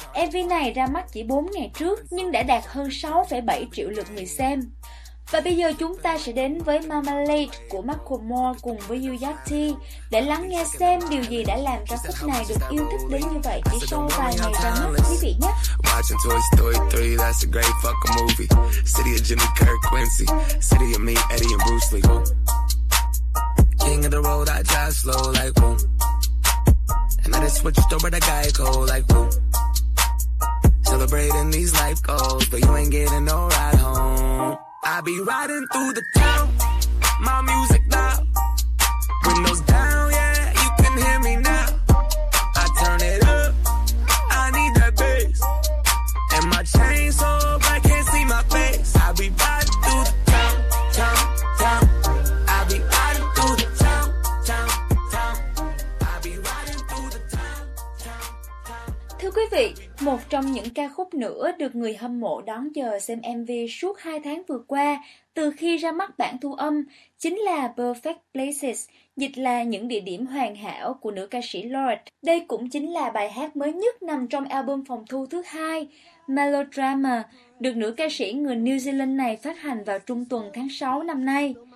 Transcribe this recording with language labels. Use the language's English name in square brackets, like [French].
[Vietnamese] MV này ra mắt chỉ 4 ngày trước, nhưng đã đạt hơn 6,7 triệu lượt người xem. Và bây giờ chúng ta sẽ đến với Marmalade của Michael Moore cùng với Lil Yachty để lắng nghe xem điều gì đã làm ca khúc này được yêu thích đến như vậy chỉ sau vài ngày ra mắt, quý vị nhé. [English] Watching Toy Story 3, that's a great fucking movie. City of Jimmy, Kirk, Quincy. City of me, Eddie and Bruce Lee. King of the road, I drive slow like boom. And I just switched over to Geico like boom. Celebrating these life goals, but you ain't getting no ride home. I be riding through the town, my music loud. Windows down, yeah, you can hear me now. I turn it up, I need that bass. And my chain so black, can't see my face. I be riding through the town, town, town. I be riding through the town, town, town. I be riding through the town, town, town. [Vietnamese] Thưa quý vị, một trong những ca khúc nữa được người hâm mộ đón chờ xem MV suốt 2 tháng vừa qua, từ khi ra mắt bản thu âm, chính là Perfect Places, dịch là những địa điểm hoàn hảo của nữ ca sĩ Lorde. Đây cũng chính là bài hát mới nhất nằm trong album phòng thu thứ hai, Melodrama, được nữ ca sĩ người New Zealand này phát hành vào trung tuần tháng 6 năm nay.